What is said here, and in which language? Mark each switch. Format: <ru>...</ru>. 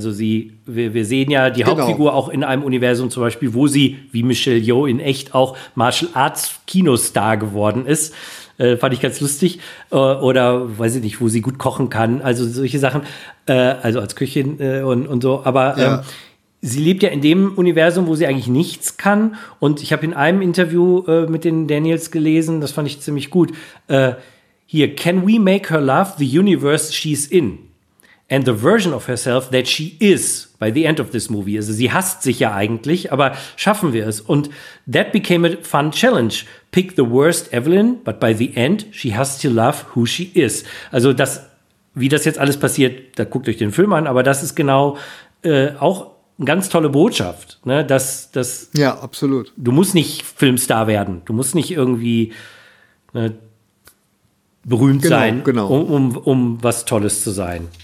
<de>Also wir sehen ja die Hauptfigur auch in einem Universum zum Beispiel, wo sie, wie Michelle Yeoh, in echt auch Martial-Arts-Kinostar geworden ist. Fand ich ganz lustig. Oder weiß ich nicht, wo sie gut kochen kann. Also solche Sachen. Also als Köchin und so. Aber ja. Sie lebt ja in dem Universum, wo sie eigentlich nichts kann. Und ich habe in einem Interview mit den Daniels gelesen, das fand ich ziemlich gut.</de> <en>Hier, can we make her love the universe she's in? And the version of herself that she is by the end of this movie.</en> <de>Also sie hasst sich ja eigentlich, aber schaffen wir es.</de> <en>Und that became a fun challenge. Pick the worst Evelyn, but by the end she has to love who she is.</en> <de>Also das, wie das jetzt alles passiert, da guckt euch den Film an, aber das ist genau auch eine ganz tolle Botschaft. Ne? Dass ja, absolut. Du musst nicht Filmstar werden. Du musst nicht irgendwie berühmt sein, um was Tolles zu sein.</de>